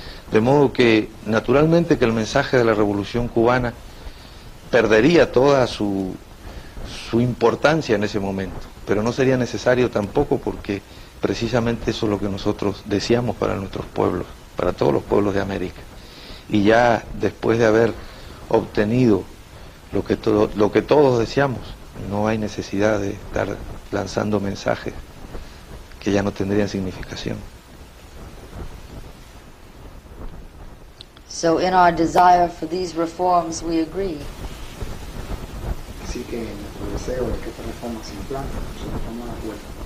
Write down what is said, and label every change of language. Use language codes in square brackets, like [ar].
[es] De modo que, naturalmente, que el mensaje de la Revolución Cubana perdería toda su importancia en ese momento, pero no sería necesario tampoco, porque precisamente eso es lo que nosotros deseamos para nuestros pueblos, para todos los pueblos de América. Y ya después de haber obtenido lo que todos deseamos, no hay necesidad de estar lanzando mensajes que ya no tendrían significación. [en] So in our desire for these reforms we agree. [es] Así que nuestro deseo es que estas reformas se implanten, son reformas de acuerdo.